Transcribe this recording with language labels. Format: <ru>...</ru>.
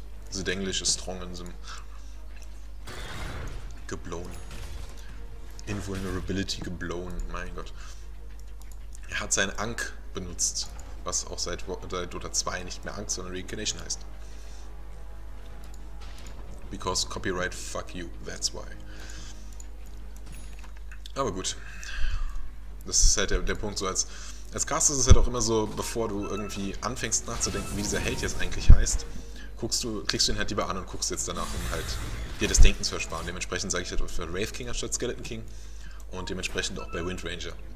<en>The Denglish ist strong in Sim.</en> <de>Geblown. Invulnerability geblown, mein Gott. Er hat seinen Ankh benutzt, was auch seit Dota 2 nicht mehr Ankh, sondern Reincarnation heißt.</de> <en>Because copyright, fuck you, that's why.</en> <de>Aber gut. Das ist halt der Punkt, so als Caster ist es halt auch immer so, bevor du irgendwie anfängst nachzudenken, wie dieser Held jetzt eigentlich heißt, klickst du ihn halt lieber an und guckst jetzt danach, um halt dir das Denken zu ersparen. Dementsprechend sage ich halt für Wraith King anstatt Skeleton King und dementsprechend auch bei Wind Ranger.</de>